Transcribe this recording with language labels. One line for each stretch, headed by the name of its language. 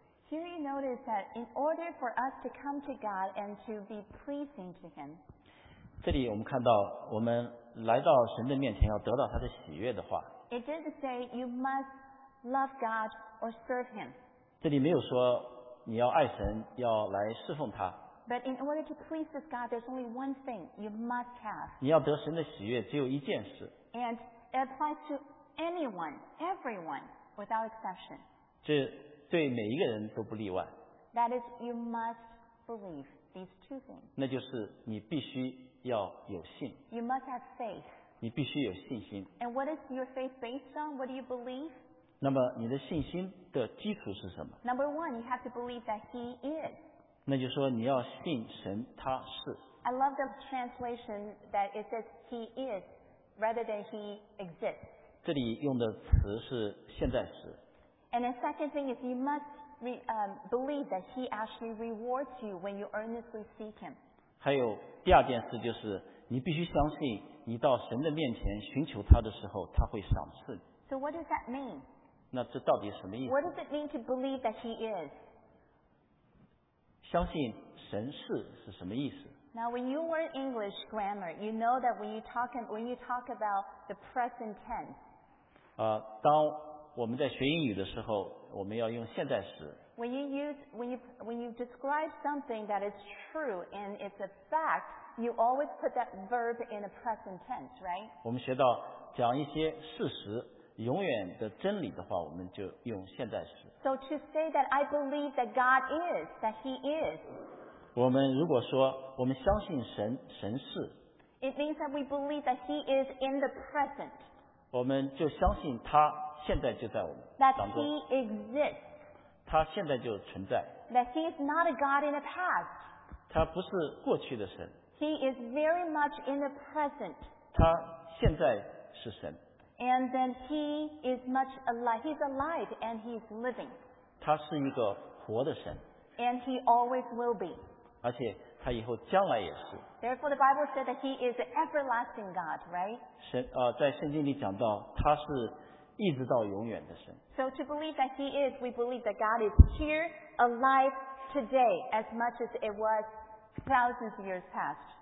English: Here you notice that in order for us to come to God and to be pleasing to Him,
Chinese: 这里我们看到我们来到神的面前要得到他的喜悦的话，
English: It didn't say you must love God or serve Him.
Chinese: 这里没有说你要爱神，要来侍奉他。
English: But in order to please this God, there's only one thing you must have.
Chinese: 你要得神的喜悦，只有一件事。
English: And it applies to anyone, everyone, without exception.
Chinese: 这对每一个人都不例外。
English: That is, you must believe these two things.
Chinese: 那就是你必须要有信。
English: You must have faith.
Chinese: 你必须有信心。
English: And what is your faith based on? What do you believe?
Chinese: 那么你的信心的基础是什么？
English: Number one, you have to believe that he is.
Chinese: 那就是说你要信神他是。
English: I love the translation that it says he is rather than he exists.
Chinese: 这里用的词是现在时。
English: And the second thing is you must believe that he actually rewards you when you earnestly seek him.
Chinese: 还有第二件事就是你必须相信你到神的面前寻求他的时候他会赏赐。
English: So what does that mean?
Chinese: 那这到底什么意思？
English: What does it mean to believe that he is?
Chinese: 相信神是什么意思？
English: Now, when you learn English grammar, you know that when you talk about the present tense.
Chinese: 当我们在学英语的时候，我们要用现在时。
English: When you describe something that is true and it's a fact, you always put that verb in a present tense, right?
Chinese: 我们学到讲一些事实，永远的真理的话，我们就用现在时。
English: So to say that I believe that God is, that He is.
Chinese: 我们如果说我们相信神，神是。
English: It means that we believe that He is in the present.
Chinese: 我们就相信他现在就在我们当中。
English: That He exists.
Chinese: 他现在就存在。
English: That He is not a God in the past.
Chinese: 他不是过去的神。
English: He is very much in the present.
Chinese: 他现在是神。
English: And then He is much alive. He's alive and He's living.
Chinese: 他是一个活的神。
English: And He always will be.
Chinese: 而且他以后将来也是。
English: Therefore, the Bible said that He is an everlasting God, right?
Chinese: 在圣经里讲到他是一直到永远的神。
English: So to believe that He is, we believe that God is here, alive today, as much as it was thousands of years past.